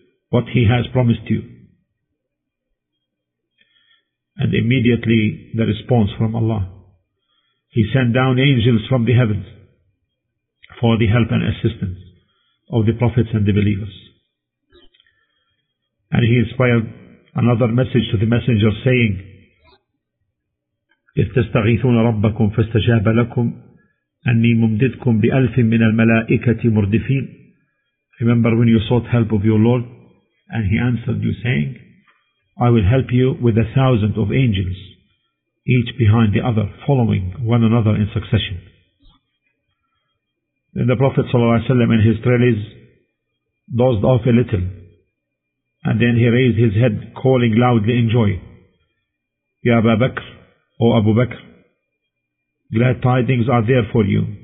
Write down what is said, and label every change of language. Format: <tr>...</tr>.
<en>what he has promised you. And immediately the response from Allah. He sent down angels from the heavens for the help and assistance of the prophets and the believers. And he inspired another message to the messenger saying,</en> <ar>إِذْ تَسْتَغِيثُونَ رَبَّكُمْ فَاسْتَجَابَ لَكُمْ أَنِّي مُمْدِدْكُمْ بِأَلْفٍ مِّنَ الْمَلَائِكَةِ مُرْدِفِينَ.</ar> <en>Remember when you sought help of your Lord and he answered you saying, I will help you with 1,000 of angels, each behind the other, following one another in succession. Then the Prophet ﷺ in his trellis dozed off a little, and then he raised his head, calling loudly in joy, Ya Abu Bakr, O Abu Bakr, glad tidings are there for you.</en>